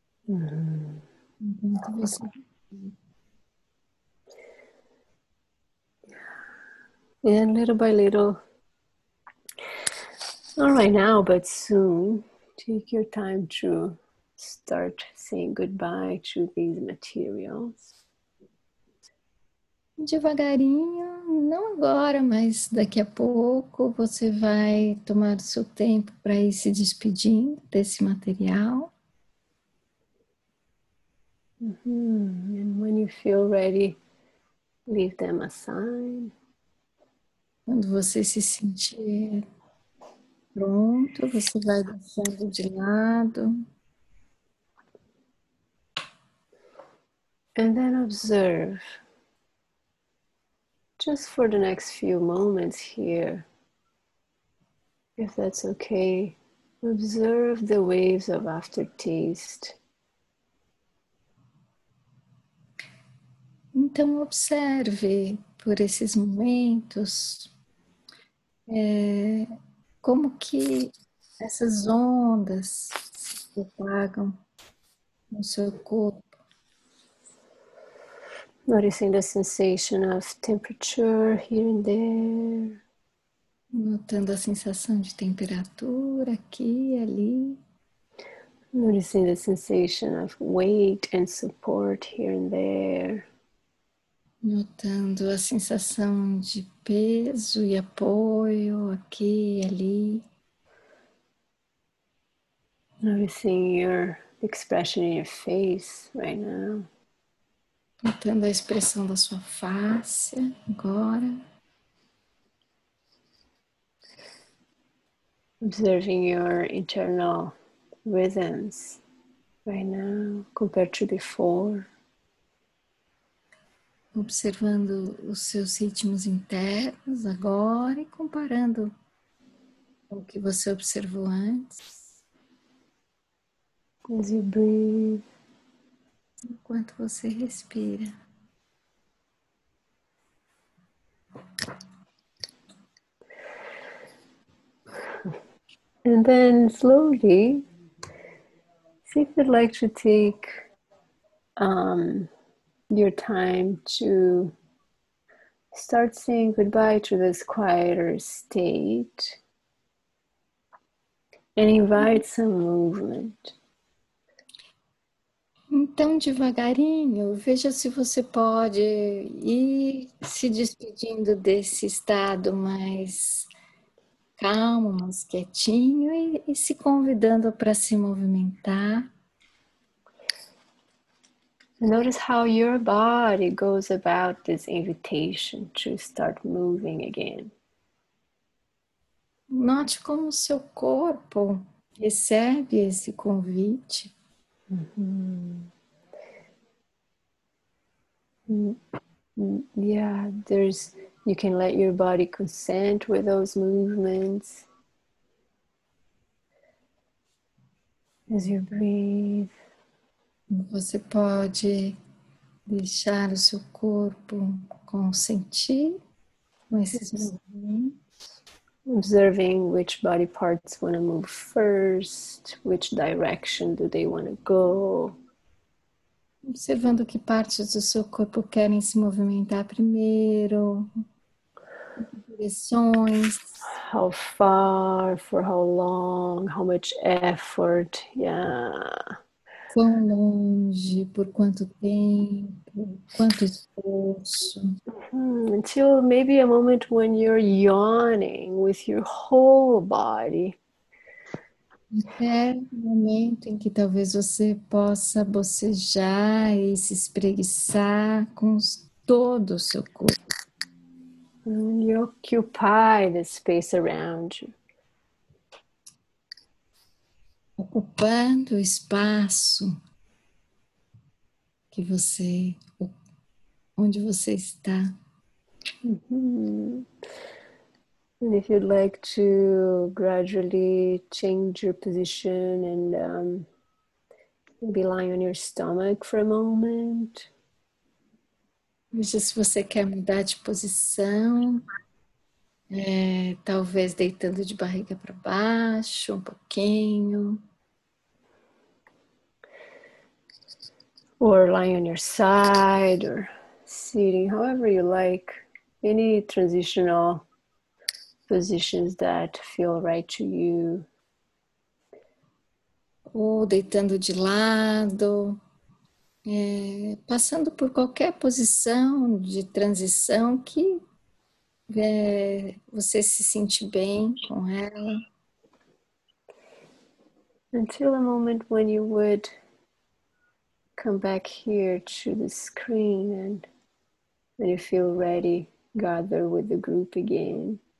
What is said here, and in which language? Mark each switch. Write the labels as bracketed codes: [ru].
[en] And little by little, not right now, but soon, take your time to start saying goodbye to these materials. [pt] Devagarinho, não agora, mas daqui a pouco, você vai tomar o seu tempo para ir se despedindo desse material. Mm-hmm. [en] And when you feel ready, leave them aside. [pt] Quando você se sentir pronto, você vai deixando de lado. [en] And then observe, just for the next few moments here, if that's okay, observe the waves of aftertaste. [pt] Então observe por esses momentos como que essas ondas se propagam no seu corpo. [en] Noticing the sensation of temperature here and there. [pt] Notando a sensação de temperatura aqui e ali. [en] Noticing the sensation of weight and support here and there. [pt] Notando a sensação de peso e apoio aqui e ali. [en] Noticing your expression in your face right now. [pt] Notando a expressão da sua face agora. [en] Observing your internal rhythms right now compared to before. [pt] Observando os seus ritmos internos agora e comparando com o que você observou antes. [en] As you breathe. [pt] Enquanto você respira. [en] And then slowly, see if you'd like to take your time to start saying goodbye to this quieter state and invite some movement. [pt] Então, devagarinho, veja se você pode ir se despedindo desse estado mais calmo, mais quietinho e se convidando para se movimentar. [en] Notice how your body goes about this invitation to start moving again. [pt] Note como seu corpo recebe esse convite. Mm-hmm. [en] Yeah, there's, you can let your body consent with those movements. As you breathe. [pt] Você pode deixar o seu corpo consentir com esses movimentos. [en] Observing which body parts want to move first, which direction do they want to go. [pt] Observando que partes do seu corpo querem se movimentar primeiro, direções. [en] How far, for how long, how much effort, yeah. [pt] Quão longe, por quanto tempo, quanto esforço. [en] Until maybe a moment when you're yawning with your whole body. [pt] Até um momento em que talvez você possa bocejar e se espreguiçar com todo o seu corpo. [en] And you occupy the space around you. [pt] Ocupando o espaço que você, onde você está. Mm-hmm. [en] And if you'd like to gradually change your position and maybe lie on your stomach for a moment. [pt] Se você quer mudar de posição, talvez deitando de barriga para baixo um pouquinho. [en] Or lying on your side, or sitting, however you like. Any transitional positions that feel right to you. [pt] Ou deitando de lado. Passando por qualquer posição de transição que você se sente bem com ela. [en] Until a moment when you would come back here to the screen and when you feel ready, gather with the group again.